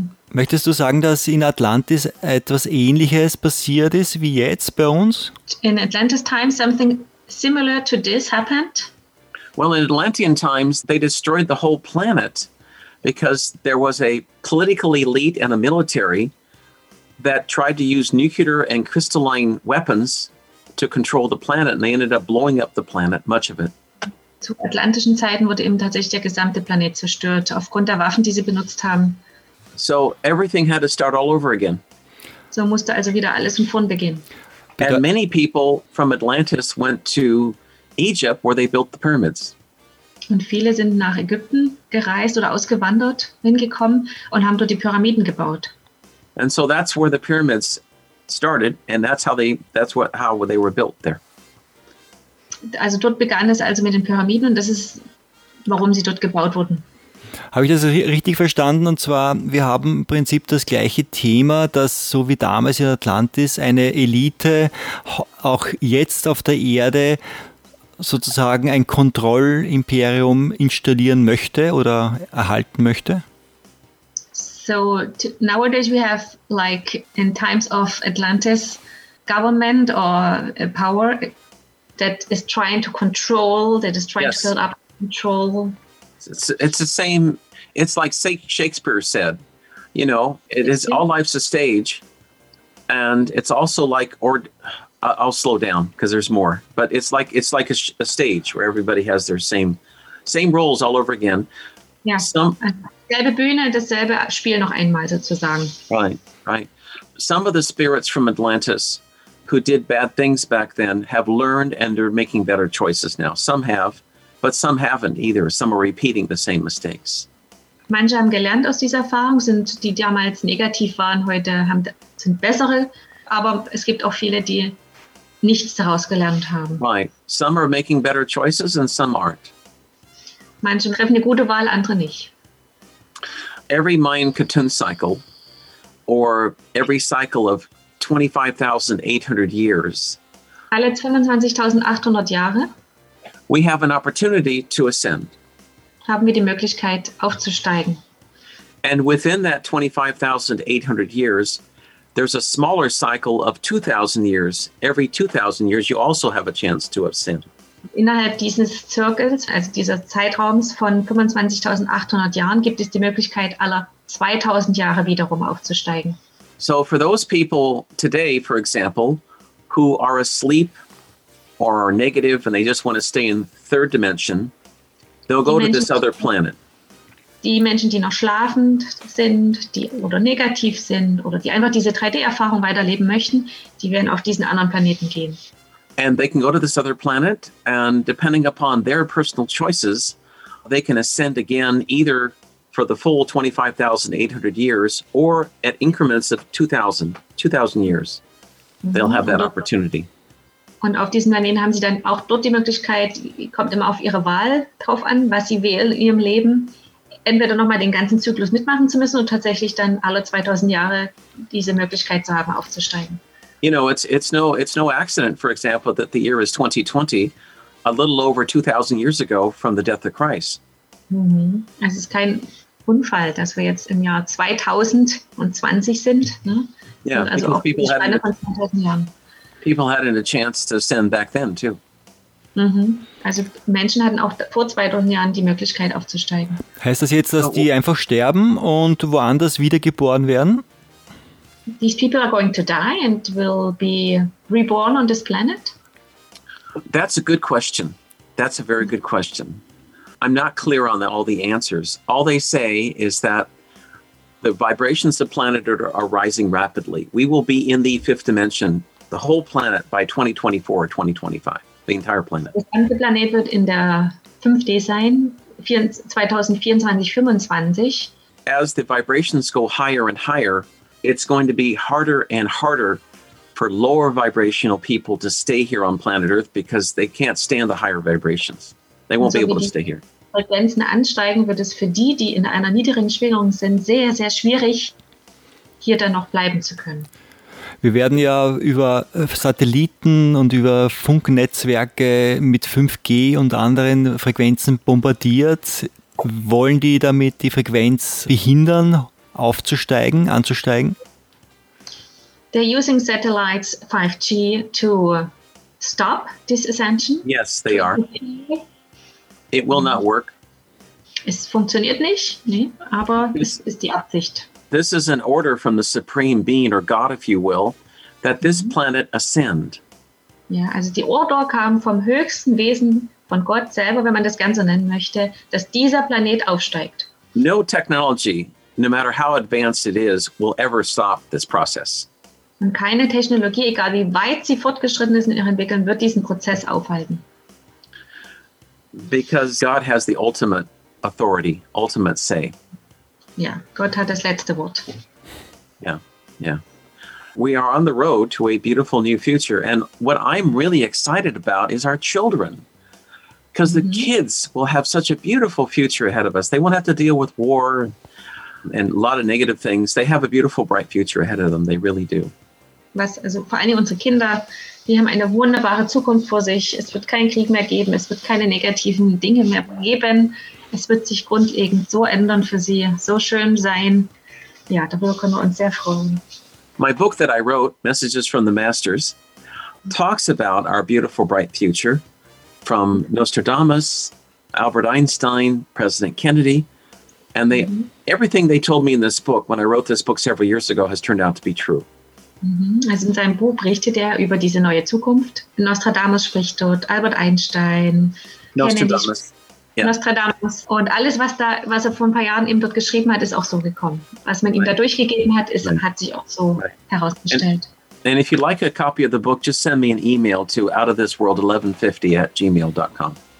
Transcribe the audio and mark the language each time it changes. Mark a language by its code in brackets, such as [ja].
[de] Möchtest du sagen, dass in Atlantis etwas Ähnliches passiert ist wie jetzt bei uns? [en] In Atlantis times, something similar to this happened? Well, in Atlantean times, they destroyed the whole planet because there was a political elite and a military that tried to use nuclear and crystalline weapons to control the planet, and they ended up blowing up the planet, much of it. [de] Zu atlantischen Zeiten wurde eben tatsächlich der gesamte Planet zerstört, aufgrund der Waffen, die sie benutzt haben. [en] So everything had to start all over again. [de] So musste also wieder alles von vorn beginnen. [en] And many people from Atlantis went to Egypt, where they built the pyramids. [de] Und viele sind nach Ägypten gereist oder ausgewandert, hingekommen und haben dort die Pyramiden gebaut. [en] And so that's where the pyramids started, and that's how they were built there. [de] Also dort begann es also mit den Pyramiden und das ist, warum sie dort gebaut wurden. Habe ich das richtig verstanden? Und zwar, wir haben im Prinzip das gleiche Thema, dass so wie damals in Atlantis eine Elite auch jetzt auf der Erde sozusagen ein Kontrollimperium installieren möchte oder erhalten möchte? [en] So, nowadays we have like in times of Atlantis government or power that is trying to control, that is trying yes. to build up control. It's the same, it's like Shakespeare said, you know, all life's a stage. And it's also like, I'll slow down because there's more, but it's like a stage where everybody has their same roles all over again. [de] Yeah, dasselbe Bühne, dasselbe Spiel noch einmal sozusagen. [en] Right. Some of the spirits from Atlantis who did bad things back then have learned and are making better choices now. Some have, but some haven't either. Some are repeating the same mistakes. [de] Manche haben gelernt aus dieser Erfahrung, sind die damals negativ waren, heute sind bessere. Aber es gibt auch viele, die nichts daraus gelernt haben. [en] Right. Some are making better choices and some aren't. [de] Manche treffen eine gute Wahl, andere nicht. [en] Every Mayan Ketun cycle or every cycle of 25,800 years. [de] Alle 25.800 Jahre. [en] We have an opportunity to ascend. [de] Haben wir die Möglichkeit aufzusteigen. [en] And within that 25,800 years, there's a smaller cycle of 2,000 years. Every 2,000 years, you also have a chance to ascend. [de] Innerhalb dieses Zirkels, also dieser Zeitraums von 25.800 Jahren, gibt es die Möglichkeit, alle 2,000 Jahre wiederum aufzusteigen. [en] So for those people today, for example, who are asleep or are negative and they just want to stay in third dimension, they'll go to this other planet. [de] Die Menschen, die noch schlafend sind, die oder negativ sind oder die einfach diese 3D-Erfahrung weiterleben möchten, die werden auf diesen anderen Planeten gehen. [en] And they can go to this other planet and depending upon their personal choices, they can ascend again either for the full 25,800 years or at increments of 2,000 years. They'll have that opportunity. [de] Und auf diesem Planeten haben sie dann auch dort die Möglichkeit, kommt immer auf ihre Wahl drauf an, was sie wählen in ihrem Leben, entweder nochmal den ganzen Zyklus mitmachen zu müssen und tatsächlich dann alle 2000 Jahre diese Möglichkeit zu haben, aufzusteigen. [en] You know, it's no accident, for example, that the year is 2020, a little over 2000 years ago from the death of Christ. [de] Es ist kein Unfall, dass wir jetzt im Jahr 2020 sind, ne? [en] Yeah, [de] also auch [en] people, [de] die [en] people hadn't a chance to ascend back then too. [de] Also Menschen hatten auch vor 2000 Jahren die Möglichkeit aufzusteigen. Heißt das jetzt, dass die einfach sterben und woanders wiedergeboren werden? [en] These people are going to die and will be reborn on this planet? That's a good question. That's a very good question. I'm not clear on all the answers. All they say is that the vibrations of the planet are rising rapidly. We will be in the fifth dimension, the whole planet, by 2024 or 2025, the entire planet. [de] Das ganze Planet wird in der 5D sein, 2024-25. [en] As the vibrations go higher and higher, it's going to be harder and harder for lower vibrational people to stay here on planet Earth because they can't stand the higher vibrations. They won't so be able to stay here. [de] Frequenzen ansteigen, wird es für die, die in einer niedrigen Schwingung sind, sehr, sehr schwierig, hier dann noch bleiben zu können. Wir werden ja über Satelliten und über Funknetzwerke mit 5G und anderen Frequenzen bombardiert. Wollen die damit die Frequenz behindern, aufzusteigen, anzusteigen? [en] They're using satellites 5G to stop this ascension. Yes, they are. It will not work. [de] Es funktioniert nicht, nee, aber es ist die Absicht. [en] This is an order from the Supreme Being, or God, if you will, that this planet ascend. [de] Ja, also die Order kam vom höchsten Wesen, von Gott selber, wenn man das Ganze nennen möchte, dass dieser Planet aufsteigt. [en] No technology, no matter how advanced it is, will ever stop this process. [de] Und keine Technologie, egal wie weit sie fortgeschritten ist in ihrem Entwickeln, wird diesen Prozess aufhalten. [en] Because God has the ultimate authority, ultimate say. [de] Yeah, Gott hat das letzte Wort. [en] Yeah. We are on the road to a beautiful new future. And what I'm really excited about is our children. Because the kids will have such a beautiful future ahead of us. They won't have to deal with war and a lot of negative things. They have a beautiful, bright future ahead of them. They really do. [de] Also vor allem unsere Kinder, die haben eine wunderbare Zukunft vor sich. Es wird keinen Krieg mehr geben. Es wird keine negativen Dinge mehr geben. Es wird sich grundlegend so ändern für sie, so schön sein. Ja, darüber können wir uns sehr freuen. My book that I wrote, Messages from the Masters, talks about our beautiful, bright future from Nostradamus, Albert Einstein, President Kennedy, and they, everything they told me in this book, when I wrote this book several years ago, has turned out to be true. Also in seinem Buch berichtet er über diese neue Zukunft. Nostradamus spricht dort, Albert Einstein. Nostradamus. Und alles, was er vor ein paar Jahren eben dort geschrieben hat, ist auch so gekommen. Was man ihm da durchgegeben hat, hat sich auch so herausgestellt. [en] And if you'd like a copy of the book, just send me an email to outofthisworld1150@gmail.com.